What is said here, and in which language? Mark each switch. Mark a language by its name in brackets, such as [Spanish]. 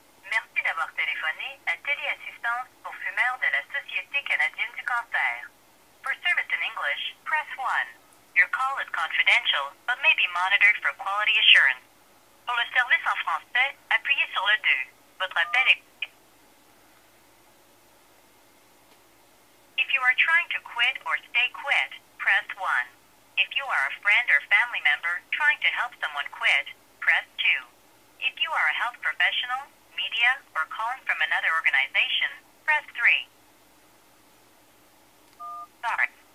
[French] Merci d'avoir téléphoné à Téléassistance pour fumeurs de la Société canadienne du cancer. [English] For service in English, press 1. Your call is confidential, but may be monitored for quality assurance. [French] Pour le service en français, appuyez sur le 2. Votre appel est... [English] If you are trying to quit or stay quit, press 1. If you are a friend or family member trying to help someone quit, press 2. If you are a health professional, media, or calling from another organization, press 3. Sorry.